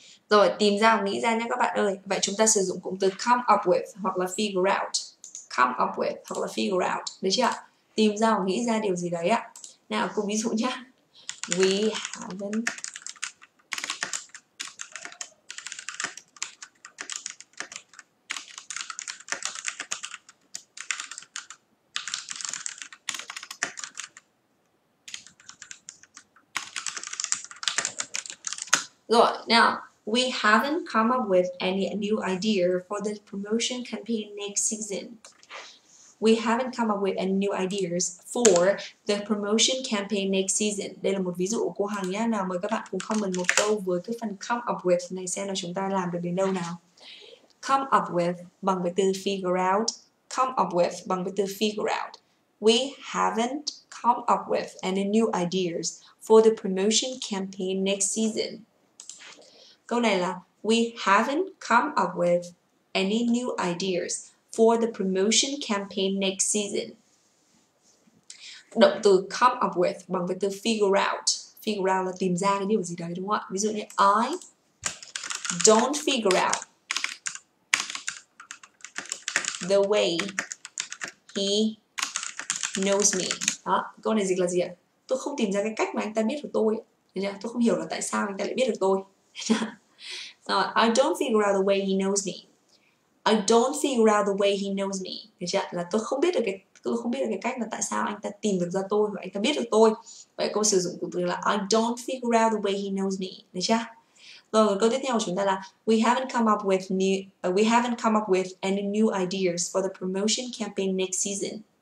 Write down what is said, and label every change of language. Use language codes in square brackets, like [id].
[vi] Rồi, tìm ra và nghĩ ra nhé các bạn ơi. Vậy chúng ta sử dụng cụm từ come up with hoặc là figure out. Come up with hoặc là figure out. Được chưa ạ? Tìm ra và nghĩ ra điều gì đấy ạ. Nào, cùng ví dụ nhé. [en] We haven't [vi] Rồi, [en] now, we haven't come up with any new idea for the promotion campaign next season. We haven't come up with any new ideas for the promotion campaign next season. [vi] Đây là một ví dụ của cô Hằng nhé. Nào, mời các bạn cùng comment một câu với cái phần come up with này xem là chúng ta làm được đến đâu nào. [en] Come up with [vi] bằng với từ [en] figure out. Come up with bằng với từ figure out. We haven't come up with any new ideas for the promotion campaign next season. [vi] Câu này là [en] we haven't come up with any new ideas for the promotion campaign next season. [vi] Động từ come up with bằng với từ figure out. Figure out là tìm ra cái điều gì đấy đúng không ạ? Ví dụ như [en] I don't figure out the way he knows me. [vi] Đó, câu này dịch là gì ạ? Tôi không tìm ra cái cách mà anh ta biết được tôi. Tôi không hiểu là tại sao anh ta lại biết được tôi. [en] I don't figure out the way he knows me. I don't figure out the way he knows me. [vi] Được chưa? Là tôi không biết được cái cách mà tại sao anh ta tìm được ra tôi và anh ta biết được tôi. Vậy câu sử dụng cụm từ là [en] I don't figure out the way he knows me. [vi] Được chưa? Rồi câu tiếp theo của chúng ta là [en] we haven't come up with any new ideas for the promotion campaign next season.